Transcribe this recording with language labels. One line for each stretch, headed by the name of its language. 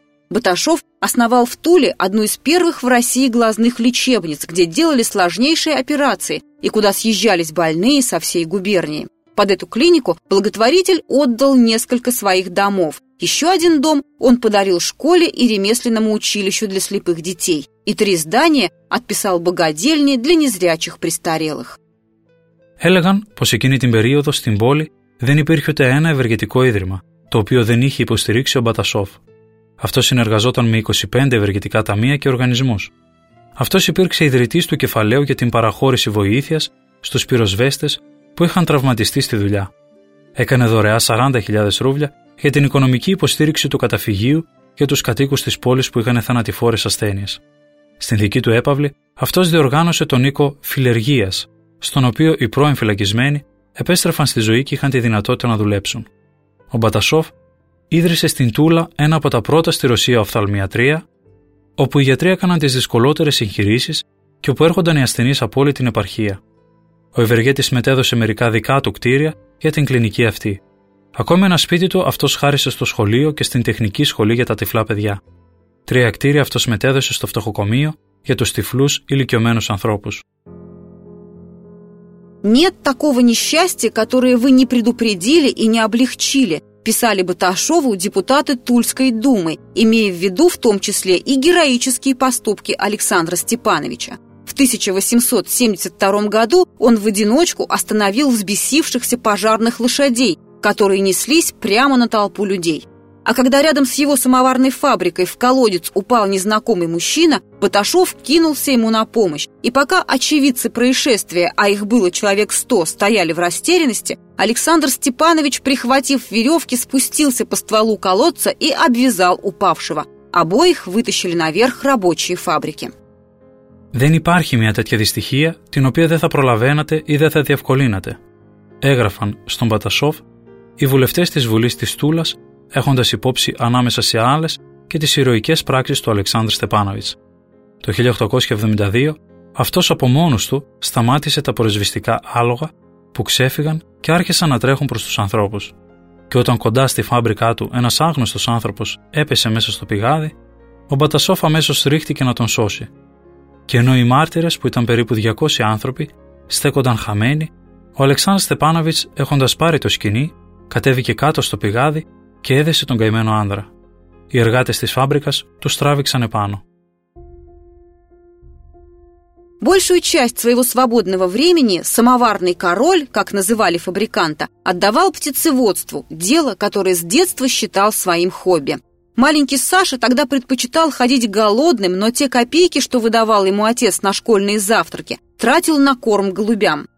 Russian: Баташов основал в Туле одну из первых в России глазных лечебниц, где делали сложнейшие операции и куда съезжались больные со всей губернии. Под эту клинику благотворитель отдал несколько своих домов. Еще один дом он подарил школе и ремесленному училищу для слепых детей. И три здания отписал богадельни для незрячих престарелых.
Greek: Έλεγαν πως εκείνη την περίοδο στην πόλη δεν υπήρχε ούτε ένα ευεργετικό ίδρυμα, το οποίο δεν είχε υποστηρίξει ο Μπατασόφ. Αυτό συνεργαζόταν με 25 ευεργετικά ταμεία και οργανισμούς. Αυτός υπήρξε ιδρυτής του κεφαλαίου για την παραχώρηση βοήθειας στους πυροσβέστες που είχαν τραυματιστεί στη δουλειά. Έκανε δωρεά 40.000 ρούβλια για την οικονομική υποστήριξη του καταφυγίου και τους κατοίκους της πόλης που είχαν θανατηφόρες ασθένειες. Στην δική του έπαυλη, αυτός διοργάνωσε τον οίκο Φιλεργίας, στον οποίο οι πρώην φυλακισμένοι επέστρεφαν στη ζωή και είχαν τη δυνατότητα να δουλέψουν. Ο Μπατασόφ ίδρυσε στην Τούλα ένα από τα πρώτα στη Ρωσία οφθαλμιατρία, όπου οι γιατροί έκαναν τις δυσκολότερες εγχειρήσεις και όπου έρχονταν οι ασθενείς από όλη την επαρχία. Ο ευεργέτης μετέδωσε μερικά δικά του κτίρια για την κλινική αυτή. Ακόμη ένα σπίτι του αυτός χάρισε στο σχολείο και στην τεχνική σχολή για τα τυφλά παιδιά. Τρία κτίρια αυτός μετέδωσε στο φτωχοκομείο για τους τυφλούς ηλικιωμένους ανθρώπους.
Russian: «Нет такого несчастья, которое вы не предупредили и не облегчили», писали Баташову депутаты Тульской думы, имея в виду в том числе и героические поступки Александра Степановича. В 1872 году он в одиночку остановил взбесившихся пожарных лошадей, которые неслись прямо на толпу людей. А когда рядом с его самоварной фабрикой в колодец упал незнакомый мужчина, Баташов кинулся ему на помощь. И пока очевидцы происшествия, а их было человек 100, стояли в растерянности, Александр Степанович, прихватив веревки, спустился по стволу колодца и обвязал упавшего. Обоих вытащили наверх рабочие фабрики.
Greek: «Δεν υπάρχει μια τέτοια δυστυχία, την οποία δεν θα προλαβαίνατε ή δεν θα διευκολύνατε», έγραφαν στον Баташов οι βουλευτές της Βουλής της Τούλας, έχοντας υπόψη ανάμεσα σε άλλες και τις ηρωικές πράξεις του Αλεξάνδρου Στεπάνοβιτς. Το 1872 αυτός από μόνος του σταμάτησε τα πυροσβεστικά άλογα που ξέφυγαν και άρχισαν να τρέχουν προς τους ανθρώπους. Και όταν κοντά στη φάμπρικά του ένας άγνωστος άνθρωπος έπεσε μέσα στο πηγάδι, ο Μπατασόφ αμέσως ρίχτηκε να τον σώσει. Και ενώ οι μάρτυρες, που ήταν περίπου 200 άνθρωποι, στέκονταν χαμένοι, ο Αλεξάνδρος Στεπάνοβιτς, έχοντας πάρει το σκηνή, κατέβηκε κάτω στο πηγάδι και έδεσε τον καημένο άνδρα. Οι εργάτες της φάμπρικας τους τράβηξαν επάνω.
Russian: Большую часть своего свободного времени самоварный король, как называли фабриканта, отдавал птицеводству, дело, которое с детства считал своим хобби. Маленький Саша тогда предпочитал ходить голодным, но те копейки, что выдавал ему отец на школьные завтраки, тратил на корм голубям.